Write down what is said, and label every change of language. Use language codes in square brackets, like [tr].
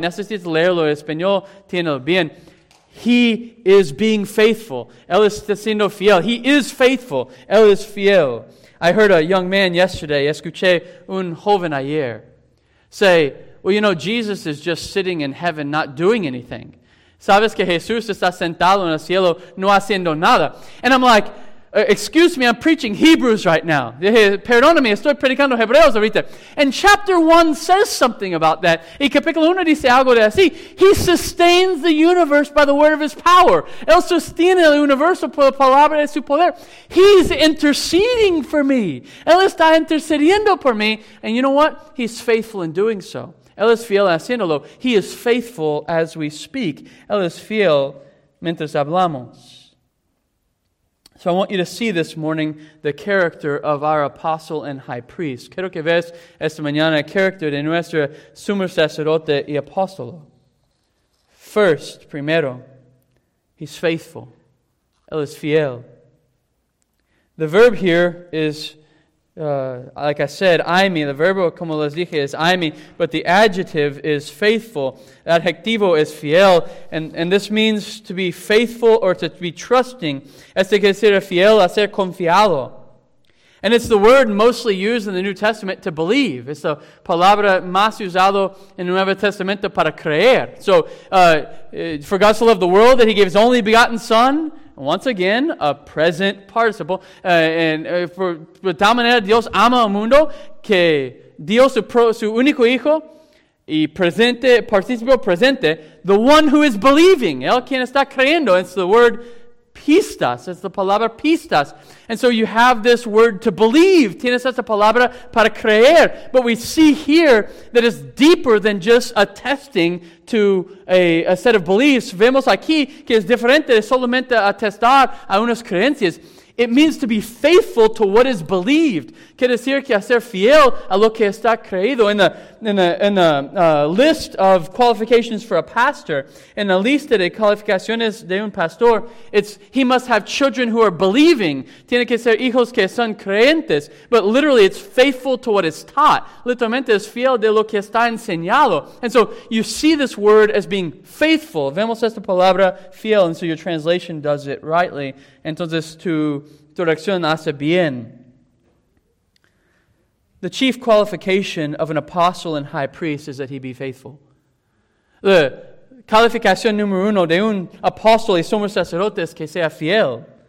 [es] Necesitas leerlo. El español tiene bien. [en] He is being faithful. [es] Él está siendo fiel. [en] He is faithful. [es] Él es fiel. [en] I heard a young man yesterday, [es] escuché un joven ayer, [en] say, well, you know, Jesus is just sitting in heaven not doing anything. [es] Sabes que Jesús está sentado en el cielo no haciendo nada. [en] And I'm like, excuse me, I'm preaching Hebrews right now. [es] Perdóname, estoy predicando Hebreos ahorita. [en] And chapter 1 says something about that. [es] Y capítulo 1 dice algo de así. [en] He sustains the universe by the word of his power. [es] Él sostiene el universo por la palabra de su poder. [en] He's interceding for me. [es] Él está intercediendo por mí. [en] And you know what? He's faithful in doing so. [es] Él es fiel haciéndolo. [en] He is faithful as we speak. [es] Él es fiel mientras hablamos. [en] So I want you to see this morning the character of our apostle and high priest. [es] Quiero que veas esta mañana el carácter de nuestro sumo sacerdote y apóstolo. First, primero, [en] he's faithful. [es] Él es fiel. [en] The verb here is, like I said, aimi. [es] The verbo, como les dije, es aimi. [en] But the adjective is faithful. [es] Adjetivo es fiel. [en] And this means to be faithful or to be trusting. [es] Este que ser fiel, hacer confiado. [en] And it's the word mostly used in the New Testament to believe. [es] Es la palabra más usado en el Nuevo Testamento para creer. [en] So, for God so loved the world that he gave his only begotten Son. Once again, a present participle. [es] For de tal manera Dios ama al mundo que dio su único hijo y presente, participio presente, [en] the one who is believing. [es] El quien está creyendo. [en] It's the word pistas. It's the palabra pistas. And so you have this word to believe. [es] Tienes esa palabra para creer. [en] But we see here that it's deeper than just attesting to a set of beliefs. [es] Vemos aquí que es diferente de solamente atestar a unas creencias. [en] It means to be faithful to what is believed. [es] Quiere decir que hacer fiel a lo que está creído. [en] In the list of qualifications for a pastor, in the [es] lista de calificaciones de un pastor, [en] it's he must have children who are believing. [es] Tiene que ser hijos que son creyentes. [en] But literally, it's faithful to what is taught. [es] Literalmente, es fiel de lo que está enseñado. [en] And so, you see this word as being faithful. [es] Vemos esta palabra fiel, [en] and so your translation does it rightly. [es] Entonces, tu traducción hace bien. [en] The chief qualification of an apostle and high priest is that he be faithful. [es] The calificación número uno de un apóstol y sumo sacerdote es que sea fiel.